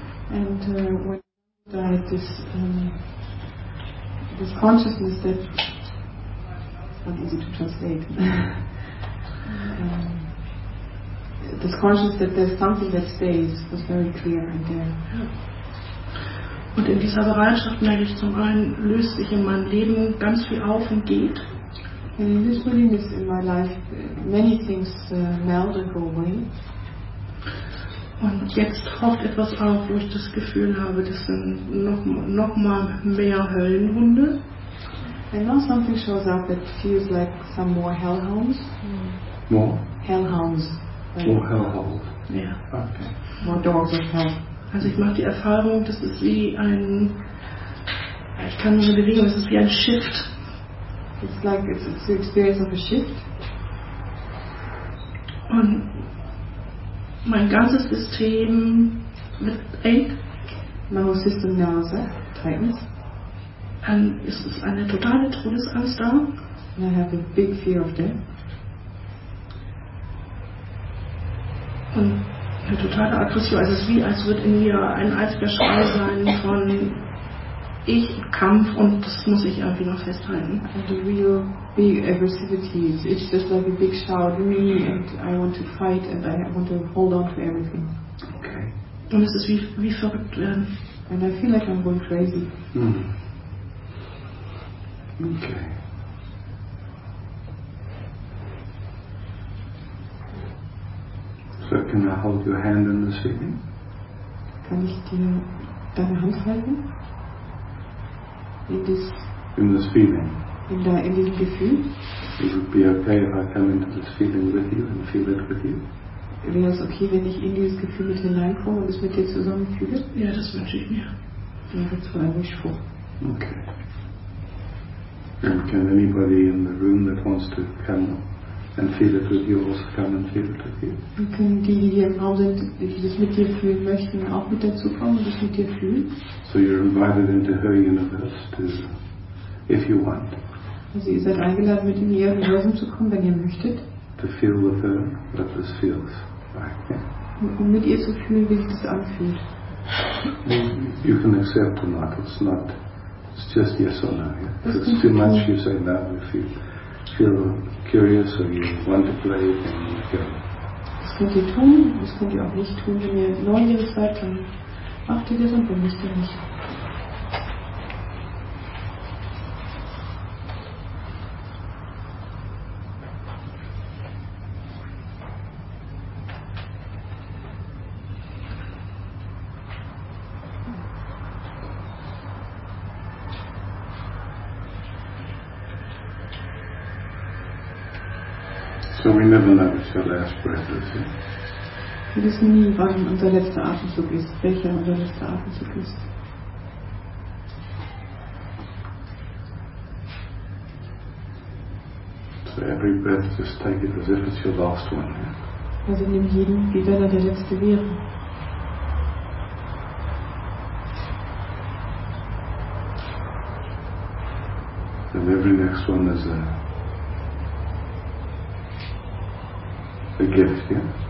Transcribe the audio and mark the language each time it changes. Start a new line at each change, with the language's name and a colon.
English: And when died, this consciousness that it's not easy to translate. This conscious that there's something that stays was very clear and there.
German: Ja. Und in dieser Bereitschaft merke ich zum einen, löst sich in meinem Leben ganz viel auf und geht.
English: And in this willingness in my life, many things melt and go away.
German: Und jetzt taucht etwas auf, wo ich das Gefühl habe, das sind noch mal mehr Höllenhunde.
English: And now something shows up that feels like some more hellhounds. More? Hellhounds. More hellhole.
German: Ja.
English: Yeah. Okay. More dogs of hell.
German: Also ich mache die Erfahrung, das ist wie ein, ich kann nur bewegen, es ist wie ein Shift.
English: It's like it's the experience of a shift.
German: Und mein ganzes System wird eng.
English: My whole system now is tightens.
German: Und es ist eine totale Todesangst da.
English: And I have a big fear of death.
German: Und eine totale Aggression. Also es ist wie, als würde in mir ein einziger Schrei sein von Ich, Kampf, und das muss ich irgendwie noch festhalten.
English: And a real big aggressivity. It's just like a big shout, me, and I want to fight, and I want to hold on to everything. Okay.
German: Und es ist wie verrückt werden.
English: And I feel like I'm going crazy. Okay. So can I hold your hand in the sitting?
German: Kann ich dir deine Hand halten?
English: In this. In this feeling.
German: In diesem Gefühl.
English: It would be okay if I come into this feeling with you and feel it with you.
German: Wäre es okay, wenn ich in dieses Gefühl mit hineinkomme und es mit dir zusammen fühle? Ja, das wünsche ich mir. Ja, das war eigentlich vor.
English: Okay. And can anybody in the room that wants to come and feel it with you also come and feel it with you?
German: Und können die, die hier im Raum sind, die das mit dir fühlen möchten, auch mit dazu kommen und das mit dir fühlen?
English: So you're invited into her universe to, if you want.
German: Also ihr seid eingeladen, mit in ihr Universum zu kommen, wenn ihr möchtet.
English: To feel with her what this feels like. Yeah.
German: Um mit ihr zu fühlen, wie sich das anfühlt.
English: You can accept or not, it's not. It's just yes or no. Yeah. It's too much. You say no. If you feel curious or you want to play, then you go.
German: Das könnt ihr tun. Das könnt ihr auch nicht tun. Wenn ihr neugierig seid, dann macht ihr das und wenn nicht, dann nicht.
English: So we never know what your last breath is.
German: Wir wissen nie, wann unser letzter Atemzug ist, welcher unser letzter Atemzug ist.
English: So every breath, just take it as if it's your last one. Yeah?
German: Also nimm jeden, wie wenn er der letzte wäre.
English: And every next one is a. A gift, yeah.